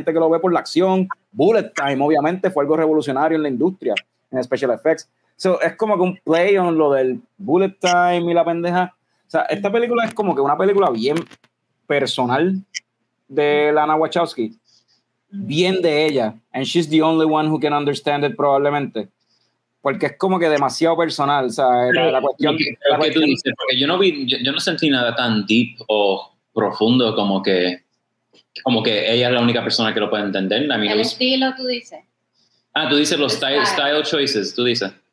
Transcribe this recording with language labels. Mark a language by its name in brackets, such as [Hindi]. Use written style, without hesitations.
[Spanish] Gente que lo ve por la acción, bullet time, obviamente fue algo revolucionario en la industria, en special effects. So, es como que un play on lo del bullet time y la pendeja. O sea, esta película es como que una película bien personal de Lana Wachowski. Bien de ella. [English] And she's the only one who can understand it, probablemente. [Spanish] Porque es como que demasiado personal. O sea, pero, la cuestión... Lo que tú dices, porque yo no vi, yo no sentí nada tan deep o profundo como que ella es la única persona que lo puede entender. El estilo, tú dices. Ah, tú dices los style choices, tú dices.